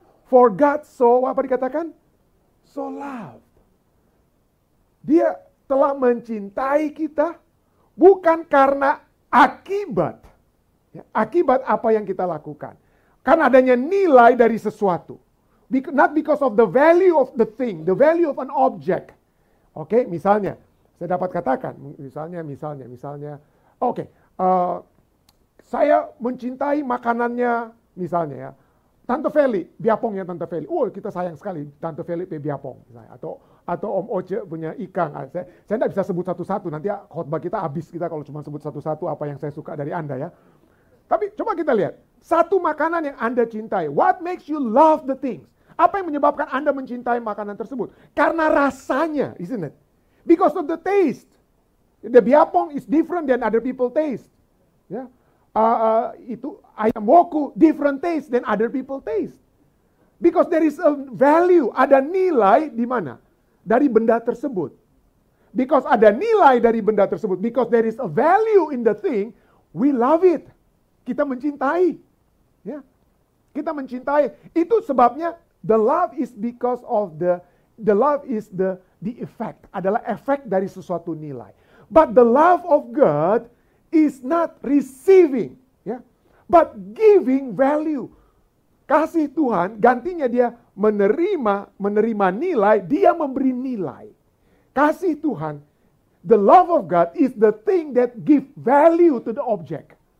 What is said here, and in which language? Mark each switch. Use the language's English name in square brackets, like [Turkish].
[English] For God so, [Indonesian] apa dikatakan? [English] So loved. [Indonesian] Dia telah mencintai kita bukan karena akibat. Ya, akibat apa yang kita lakukan. Karena adanya nilai dari sesuatu. [English] Not because of the value of the thing, the value of an object. [Indonesian] Okay, misalnya, saya dapat katakan, misalnya. Okay, saya mencintai makanannya, misalnya ya. Tante Feli, biapong ya Tante Feli. Oh, kita sayang sekali Tante Feli biapong. Atau Om Oce punya ikan. Saya enggak bisa sebut satu-satu. Nanti khotbah kita habis kita kalau cuma sebut satu-satu apa yang saya suka dari Anda ya. Tapi coba kita lihat. Satu makanan yang Anda cintai. [English] What makes you love the things? [Indonesian] Apa yang menyebabkan Anda mencintai makanan tersebut? Karena rasanya, [English] isn't it? Because of the taste. The biapong is different than other people taste. Ya. Yeah? [Indonesian] Itu ayam woku [English] different taste than other people taste. Because there is a value, [Indonesian] ada nilai di mana? Dari benda tersebut. Because ada nilai dari benda tersebut, [English] because there is a value in the thing, we love it. [Indonesian] Kita mencintai. Ya. Yeah. Kita mencintai. Itu sebabnya [English] the love is because of the love is the effect, [Indonesian] adalah efek dari sesuatu nilai. [English] But the love of God is not receiving, yeah, but giving value. [Indonesian] Kasih Tuhan, gantinya dia menerima nilai, dia memberi nilai. Kasih Tuhan, [English] the love of God is the thing that give value to the object.